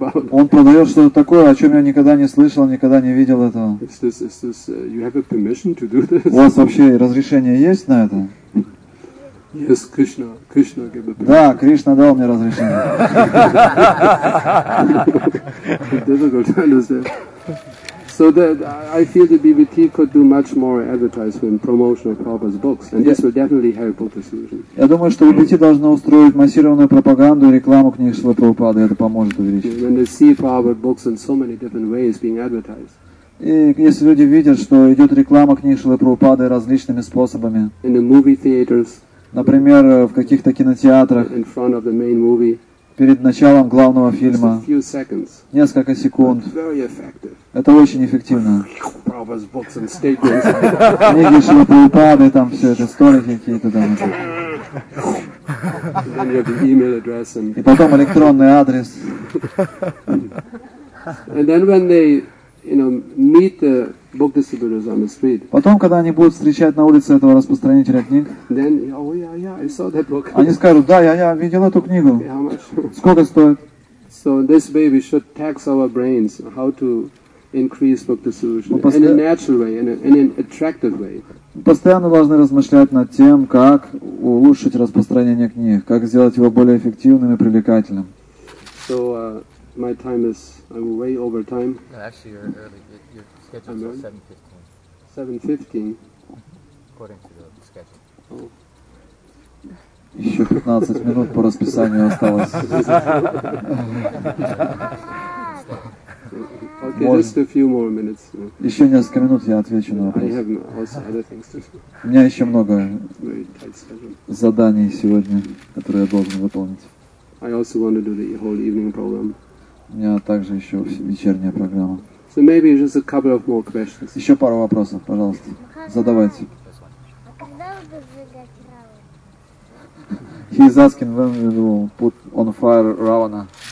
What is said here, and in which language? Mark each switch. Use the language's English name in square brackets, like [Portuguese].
[Russian] Он продает что-то такое, о чем я никогда не слышал, никогда не видел этого. [English] You have a permission to do this? [Russian] У вас вообще разрешение есть на это? [English] Yes, Krishna gave a permission. [Russian] Да, Кришна дал мне разрешение. [English] Difficult to understand. So that I feel the BBT could do much more advertisement promotion of Prabhupada's books, and this will definitely help book distribution. [Russian] Я думаю, что BBT должно устроить массированную пропаганду и рекламу книг Шрилы Прабхупады. Это поможет увеличить. [English] When they see Prabhupada's books in so many different ways being advertised. [Russian] И если люди видят, что идет реклама книг Шрилы Прабхупады различными способами. [English] In the movie theaters. [Russian] Например, в каких-то кинотеатрах, [English] in front of the main movie, [Russian] перед началом главного фильма, [English] just a few seconds, [Russian] несколько секунд, [English] very effective. [Russian] Это очень эффективно. [English] Prabhupada's books and statements. [Russian] Книги Шрилы Прабхупады, там все это, столики какие-то там. [English] Then you have the email address and... [Russian] И потом электронный адрес. [English] And then when they, you know, meet the book distributors on the street. [Russian] Потом, когда они будут встречать на улице этого распространителя книг, [English] then, oh, yeah, I saw that book. [Russian] Они скажут, да, я видел эту книгу. [English] Okay, how much? [Russian] Сколько стоит? [English] So this way we should tax our brains how to increase book distribution in a natural way, in an attractive way. [Russian] Постоянно должны размышлять над тем, как улучшить распространение книг, как сделать его более эффективным и привлекательным. [English] So my time is, I'm way over time. No, actually, you're early. Your schedule is 7:15. According to the schedule. Oh. [Russian] Еще 15 минут по расписанию осталось. [English] Okay, [Russian] можно. [English] Just a few more minutes. [Russian] Еще несколько минут, я отвечу на вопрос. [English] I have also other things to do. [Russian] У меня еще много заданий сегодня, которые я должен выполнить. [English] I also want to do the whole evening program. [Russian] У меня также еще вечерняя программа. [English] So maybe just a couple of more questions. [Russian] Еще пару вопросов, пожалуйста. Задавайте. А когда вы будете сжигать Равана? [English] He is asking when we will put on fire Ravana.